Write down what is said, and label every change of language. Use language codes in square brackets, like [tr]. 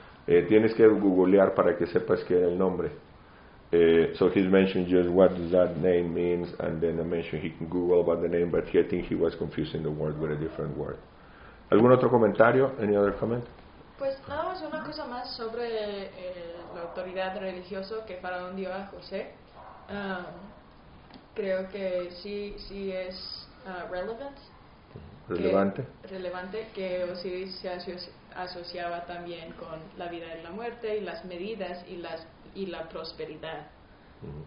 [es] Tienes que googlear para que sepas qué era el nombre. [en] So he's mentioned just what that name means, and then I mentioned he can Google about the name, but I think he was confusing the word with a different word. [es] ¿Algún otro comentario? [en] Any other comment? [es] Pues nada más una cosa más sobre la autoridad religiosa que Faraón dio a José. Creo que sí es relevant. Relevante. Relevante que Osiris se asociaba también con la vida y la muerte y las medidas y la prosperidad. Uh-huh.